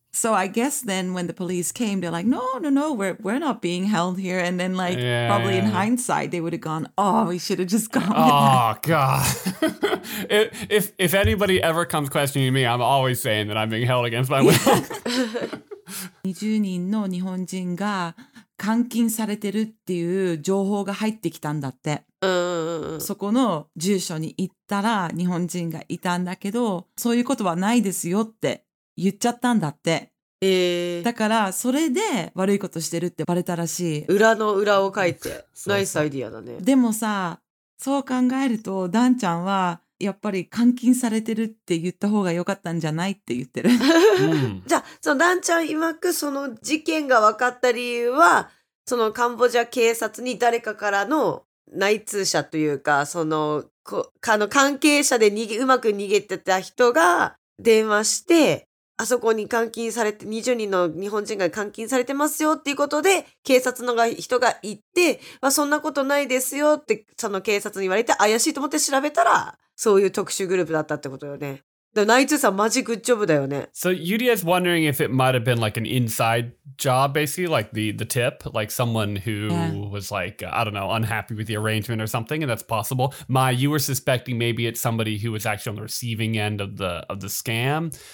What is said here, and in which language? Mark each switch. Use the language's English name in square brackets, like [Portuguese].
[English] So I guess then when the police came, they're like, no, we're not being held here. And then like hindsight, they would have gone, oh, we should have just gone. Oh, God. if anybody ever comes questioning me, I'm always saying that I'm being held against my will. [Japanese] 20人の日本人が監禁されてるっていう情報が入ってきたんだって。そこの住所に行ったら日本人がいたんだけど、そういうことはないですよって言っちゃったんだって。だからそれで悪いことしてるってバレたらしい。裏の裏を書いて。ナイスアイディアだね。でもさ、そう考えるとダンちゃんはやっぱり監禁されてるって言った方が良かったんじゃないって言ってる。じゃあそのダンちゃん曰くその事件が分かった理由は、そのカンボジア警察に誰かからの内通者というか、そのあの関係者でうまく逃げてた人が電話して、あそこに監禁されて、20人の日本人が監禁されてますよっていうことで、警察の人が言って、まあ、そんなことないですよって、その警察に言われて、怪しいと思って調べたら、そういう特殊グループだったってことよね。 [English] The Knights is a magic job [Japanese] だよね。 [English] So Yuri is wondering if it might have been like an inside job, basically, like the tip, like someone who was like, I don't know, unhappy with the arrangement or something, and that's possible. Mai, you were suspecting maybe it's somebody who was actually on the receiving end of the scam.